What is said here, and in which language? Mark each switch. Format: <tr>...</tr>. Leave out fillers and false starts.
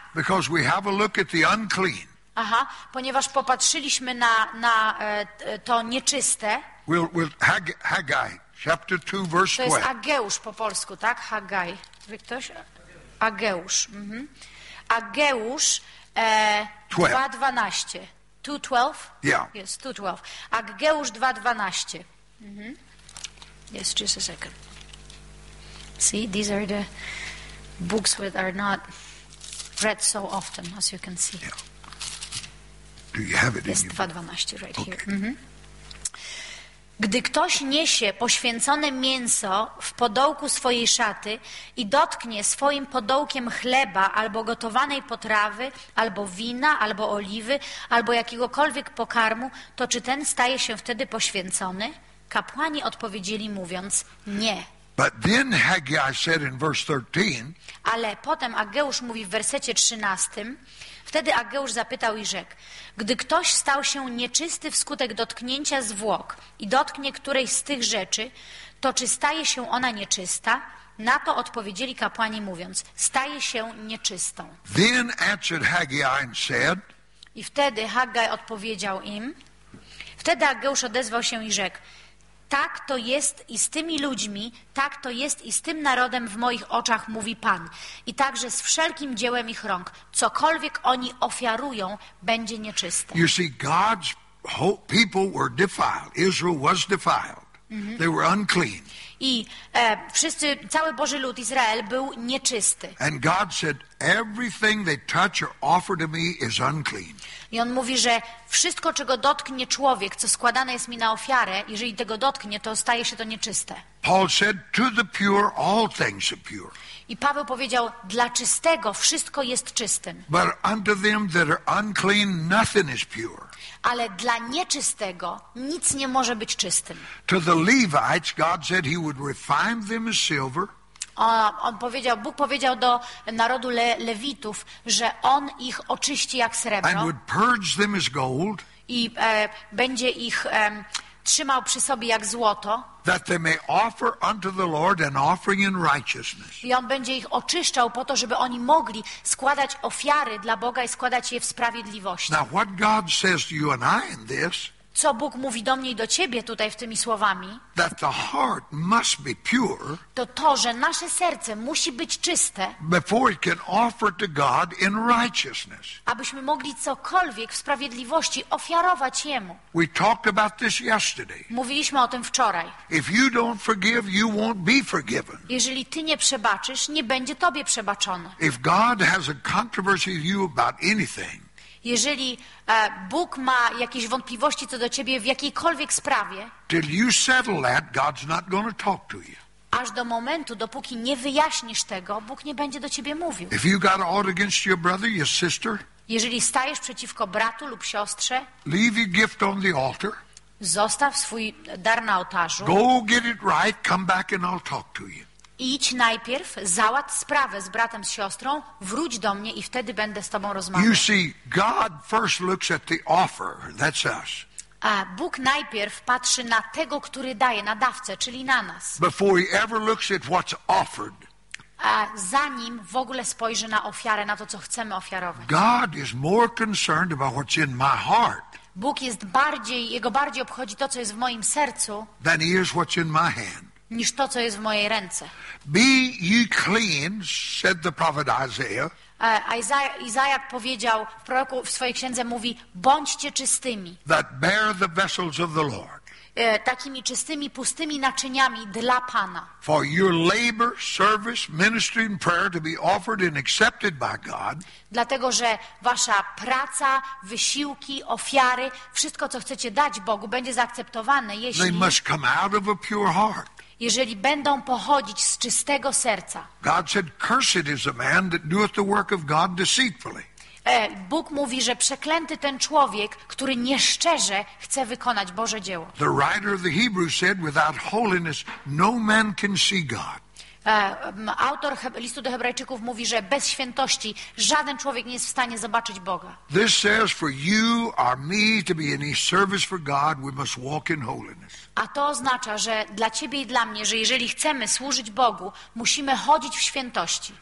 <en>Because we have a look at the unclean.</en> <pl>Aha, ponieważ popatrzyliśmy na to nieczyste.</pl> <en>Haggai, chapter 2, verse 12.</en> <pl>To jest Ageusz po polsku, tak? Haggai. Ktoś? Ageusz. Mhm. Ageusz. 2:12. 2:12?</pl> <en>Yeah. Yes, 2:12. Ageusz 2:12. Mm-hmm. Yes, just a second. See, these are the books that are not read so often, as you can see. Yeah. Do you have it in your book? 2:12 right here.</en> <pl>Gdy ktoś niesie poświęcone mięso w podołku swojej szaty i dotknie swoim podołkiem chleba albo gotowanej potrawy, albo wina, albo oliwy, albo jakiegokolwiek pokarmu, to czy ten staje się wtedy poświęcony? Kapłani odpowiedzieli mówiąc: nie.</pl> <en>But then Haggai said in verse 13,</en> <pl>ale potem Ageusz mówi w wersecie 13, wtedy Ageusz zapytał i rzekł: gdy ktoś stał się nieczysty wskutek dotknięcia zwłok i dotknie którejś z tych rzeczy, to czy staje się ona nieczysta? Na to odpowiedzieli kapłani mówiąc: staje się nieczystą.</pl> <en>Then answered Haggai and said,</en> <pl>i wtedy Haggai odpowiedział im, wtedy Ageusz odezwał się i rzekł: Tak to jest i z tymi ludźmi, tak to jest i z tym narodem w moich oczach, mówi Pan. I także z wszelkim dziełem ich rąk. Cokolwiek oni ofiarują, będzie nieczyste.</pl> <en>You see, God's people were defiled. Israel was defiled. They were unclean.</en> <pl>I wszyscy, cały Boży lud, Izrael, był nieczysty.</pl> <en>And God said, everything they touch or offer to me is unclean.</en> <pl>I on mówi, że wszystko, czego dotknie człowiek, co składane jest mi na ofiarę, jeżeli tego dotknie, to staje się to nieczyste.</pl> <en>Paul said, to the pure, all things are pure.</en> <pl>I Paweł powiedział, dla czystego wszystko jest czystym.</pl> <en>But unto them that are unclean, nothing is pure.</en> <pl>Ale dla nieczystego nic nie może być czystym.</pl> <en>To the Levites, God said he would refine them as silver.</en> <pl>On powiedział, Bóg powiedział do narodu Lewitów, że on ich oczyści jak srebro.</pl> <en>And would purge them as gold.</en> <pl>I będzie ich trzymał przy sobie jak złoto.</pl> <en>That they may offer unto the Lord an offering in righteousness.</en> <pl>I on będzie ich oczyszczał po to, żeby oni mogli składać ofiary dla Boga i składać je w sprawiedliwości.</pl> <en>Now what God says to you and I in this?</en> <pl>Co Bóg mówi do mnie i do ciebie tutaj w tymi słowami?</pl> <en>That the heart must be pure.</en> <pl>To to, że nasze serce musi być czyste.</pl> <en>Before it can offer to God in righteousness.</en> <pl>Abyśmy mogli cokolwiek w sprawiedliwości ofiarować Jemu.</pl> <en>We talked about this yesterday.</en> <pl>Mówiliśmy o tym wczoraj.</pl> <en>If you don't forgive, you won't be forgiven.</en> <pl>Jeżeli ty nie przebaczysz, nie będzie tobie przebaczone.</pl> <en>If God has a controversy with you about anything.</en> <pl>Jeżeli Bóg ma jakieś wątpliwości co do ciebie w jakiejkolwiek sprawie,</pl> <en>till you settle that, God's not gonna talk to you.</en> <pl>Aż do momentu, dopóki nie wyjaśnisz tego, Bóg nie będzie do ciebie mówił.</pl> <en>If you got ought against your brother, your sister,</en> <pl>jeżeli stajesz przeciwko bratu lub siostrze,</pl> <en>leave your gift on the altar,</en> <pl>zostaw swój dar na ołtarzu,</pl> <en>go get it right, come back and I'll talk to you.</en> <pl>Idź najpierw, załatw sprawę z bratem, z siostrą, wróć do mnie i wtedy będę z tobą rozmawiał.</pl> <en>You see, God first looks at the offer, that's us.</en> <pl>A Bóg najpierw patrzy na tego, który daje, na dawcę, czyli na nas.</pl> <en>Before he ever looks at what's offered.</en> <pl>A zanim w ogóle spojrzy na ofiarę, na to, co chcemy ofiarować.</pl> <en>God is more concerned about what's in my heart.</en> <pl>Bóg jest bardziej, jego bardziej obchodzi to, co jest w moim sercu,</pl> <en>than he is what's in my hand.</en> <pl>Niż to, co jest w mojej ręce.</pl> <en>Be ye clean, said the prophet Isaiah.</en> <pl>Izajak powiedział w proroku, w swojej księdze mówi, bądźcie czystymi.</pl> <en>That bear the vessels of the Lord.</en> <pl>Takimi czystymi, pustymi naczyniami dla Pana.</pl> <en>For your labor, service, ministry and prayer to be offered and accepted by God.</en> <pl>Dlatego, że wasza praca, wysiłki, ofiary, wszystko, co chcecie dać Bogu, będzie zaakceptowane, jeśli...</pl> <en>They must come out of a pure heart.</en> <pl>Jeżeli będą pochodzić z czystego serca.</pl> <en>God said, cursed is a man that doeth the work of God deceitfully.</en> <pl>Bóg mówi, że przeklęty ten człowiek, który nieszczerze chce wykonać Boże dzieło.</pl> <en>The writer of the Hebrews said, without holiness no man can see God.</en> <pl>Autor listu do Hebrajczyków mówi, że bez świętości żaden człowiek nie jest w stanie zobaczyć Boga.</pl> <en>This says for you or me to be in his service for God, we must walk in holiness.</en> <pl>A to oznacza, że dla ciebie i dla mnie, że jeżeli chcemy służyć Bogu, musimy chodzić w świętości.</pl>